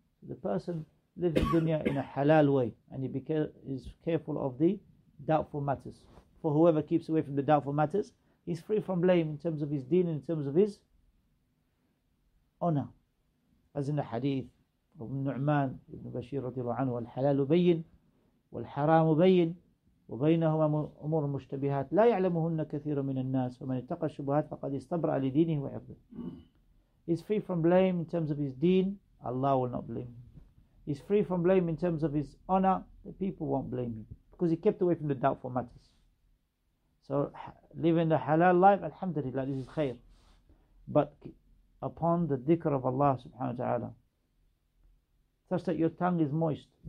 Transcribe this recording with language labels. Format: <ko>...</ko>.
<en>The person lives the dunya in a halal way, and he is careful of the doubtful matters. For whoever keeps away from the doubtful matters, he's free from blame in terms of his deen, in terms of his honor. As in the hadith of Nu'man ibn Bashir radiallahu anhu, al-halal ubayyin, wal-haram ubayyin.</en> <ar>وبينهما أمور مشتبهات لا يعلمهن كثير من الناس ومن اتقى الشبهات فقد استبرع لدينه وعرضه.</ar> <en>He's free from blame in terms of his deen, Allah will not blame him. He's free from blame in terms of his honor, the people won't blame him, because he kept away from the doubtful matters. So living the halal life, alhamdulillah, this is khair. But upon the dhikr of Allah subhanahu wa ta'ala, such that your tongue is moist.</en>